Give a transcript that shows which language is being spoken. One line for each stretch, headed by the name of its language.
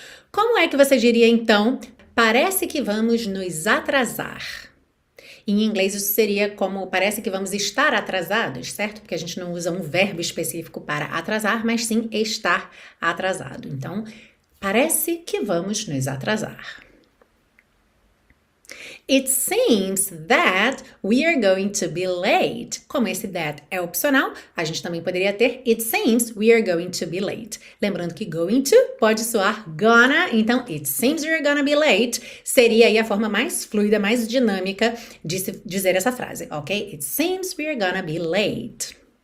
Portuguese: Como é que você diria então, parece que vamos nos atrasar? Em inglês isso seria como parece que vamos estar atrasados, certo? Porque a gente não usa um verbo específico para atrasar, mas sim estar atrasado. Então, parece que vamos nos atrasar.
English: It seems that we are going to be late.
Portuguese: Como esse that é opcional, a gente também poderia ter
English: it seems we are going to be late.
Portuguese: Lembrando que going to pode soar gonna, então
English: it seems we are gonna be late
Portuguese: seria aí a forma mais fluida, mais dinâmica de dizer essa frase, ok?
English: It seems we are gonna be late.